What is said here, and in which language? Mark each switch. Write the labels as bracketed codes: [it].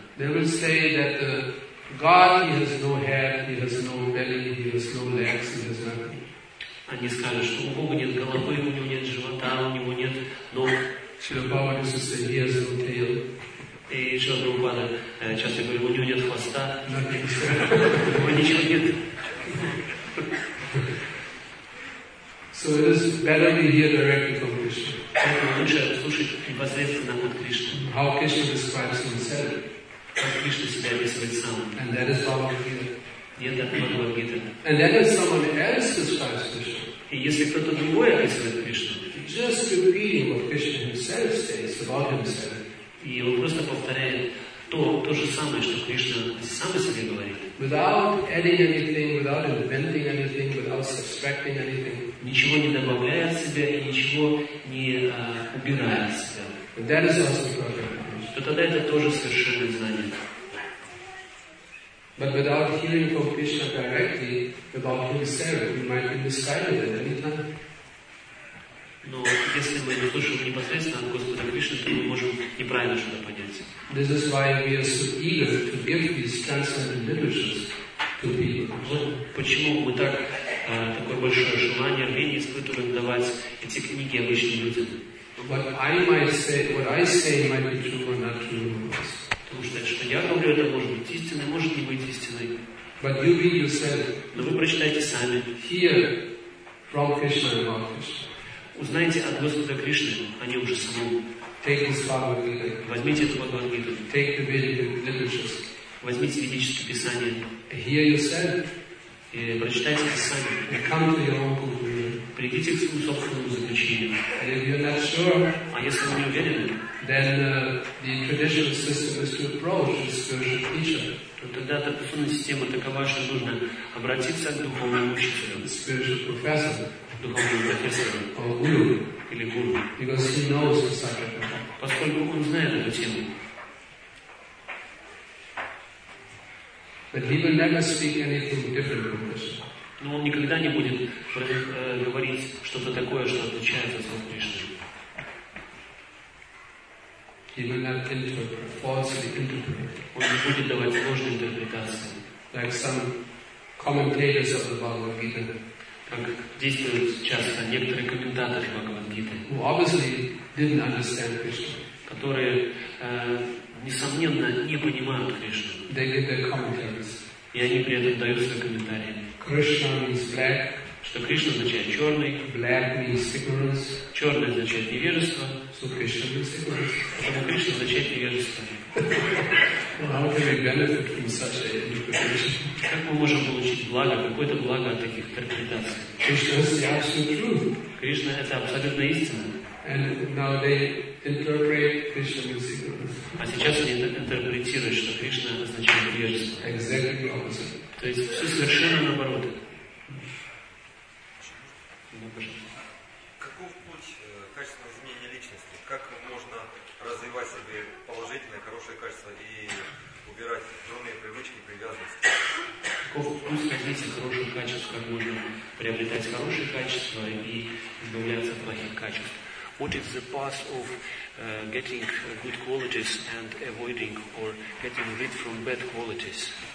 [en] They will say that God, He has no head, He has no belly, He has no legs, He has nothing. [ru] Они скажут, что у Бога нет головы, у него нет живота, у него нет ног. [en] Шрила Прабхупада used to say, He has no tail. [ru] И Шрила Прабхупада часто говорит, у него нет хвоста. У него ничего нет. [en] So it is better to hear directly from Krishna. [ru] Лучше слушать непосредственно от Кришны. [en] How Krishna describes Himself. [ru] Кришна себя описывает сам. [en] And that is Bhagavad Gita. And then if someone else describes Krishna. [ru] И если кто-то другой описывает Кришну. [en] Just repeating what Krishna Himself says about Himself. [ru] И он просто повторяет то же самое, что Кришна сам о себе говорит. [en] Without adding anything, without inventing anything, without subtracting anything. [ru] Ничего не добавляя от себя и ничего не убирая от себя. [en] And that is also perfect. [ru] То тогда это тоже совершенно знание. [en] But without hearing from Krishna directly about Himself, we might be misguided at any time. [ru] Но если мы не слышим непосредственно от Господа Кришны, то мы можем неправильно что-то понять. [en] This is why we are so eager to give these transcendental literatures to people. [ru] Вот почему мы так такое большое желание рвение испытываем давать эти книги обычным людям. [en] But I might say, what I say might be true or not true. [ru] Потому что я говорю, это может быть истиной, может не быть истиной. [en] But you read yourself. [ru] Но вы прочитайте сами. [en] Hear from Krishna about Krishna. [ru] Узнайте от Господа Кришны, а не уже самому. [en] Take this Bhagavad Gita. [ru] Возьмите эту Бхагавад Гиту. [en] Take the Vedic literatures. [ru] Возьмите ведические писания. [en] Hear yourself. [ru] И прочитайте это сами. Придите к своему собственному заключению. [en] Sure, [ru] а если вы не уверены, [en] then, the traditional system is to approach the spiritual teacher. [ru] То тогда традиционная система такова, что нужно обратиться к духовному учителю. [en] Spiritual professor. [ru] Духовному профессору. [en] Or guru. [ru] Или гуру. [en] Because he knows the subject. [ru] Поскольку он знает эту тему. [en] But he will never speak anything different from this. [ru] Но он никогда не будет говорить что-то такое, что отличается от слов Кришны. [en] He will not interpret, falsely interpret. [ru] Он не будет давать ложные интерпретации. [en] Like some commentators of the Bhagavad Gita. [ru] Как действуют часто некоторые комментаторы Бхагавад Гиты. [en] Who obviously didn't understand Krishna. [ru] Которые, несомненно, не понимают Кришну. [en] They give their commentaries. [ru] И они при этом дают свои комментарии. [en] Krishna means black. [ru] Что Кришна означает черный. [en] Black means ignorance. [ru] Черный означает невежество. [en] So Krishna means ignorance. [ru] Что Кришна означает невежество. [en] How can we benefit from such an interpretation? [ru] Как мы можем получить благо, какое-то благо от таких интерпретаций? [en] Krishna is the absolute truth. [ru] Кришна это абсолютно истина. [en] And now they interpret Krishna means ignorance. [ru] А сейчас они интерпретируют, что Кришна означает невежество. [en] Exactly opposite. [ru] То есть все совершенно наоборот. Каков путь качественного изменения личности? Как можно развивать себе положительное, хорошее качество и убирать дурные привычки, привязанности? Каков путь развития хорошего качества? Как можно приобретать хорошие качества и избавляться от плохих качеств? [en] What is the path of getting good qualities and avoiding or getting rid from bad qualities?